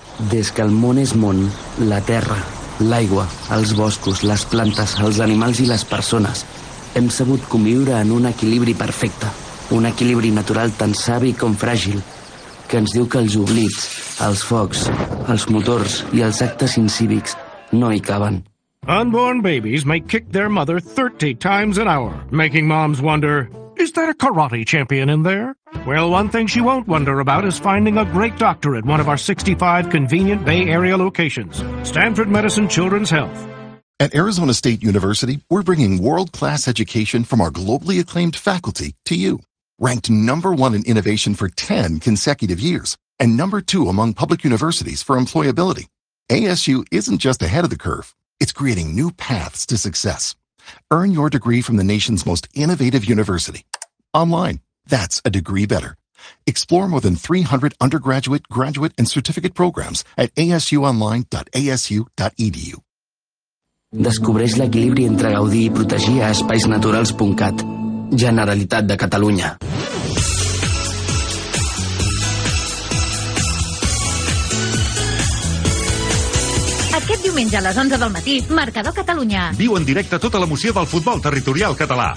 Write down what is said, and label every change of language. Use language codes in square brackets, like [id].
[ca] Des que el món és món, la terra, l'aigua, els boscos, les plantes, els animals i les persones hem sabut conviure en un equilibri perfecte, un equilibri natural tan savi com fràgil, que ens diu que els oblits, els focs, els motors i els actes incívics no hi caben. [en] Unborn babies may kick their mother 30 times an hour, making moms wonder, is that a karate champion in there? Well, one thing she won't wonder about is finding a great doctor at one of our 65 convenient Bay Area locations. Stanford Medicine Children's Health. At Arizona State University, we're bringing world-class education from our globally acclaimed faculty to you. Ranked number one in innovation for 10 consecutive years and number two among public universities for employability, ASU isn't just ahead of the curve, it's creating new paths to success. Earn your degree from the nation's most innovative university. Online, that's a degree better. Explore more than 300 undergraduate, graduate, and certificate programs at asuonline.asu.edu. [ca] Descobreix l'equilibri entre gaudir i protegir a espaisnaturals.cat. Generalitat de Catalunya. Aquest diumenge a les 11 del matí, Marcador Catalunya. Viu en directe tota l'emoció del futbol territorial català.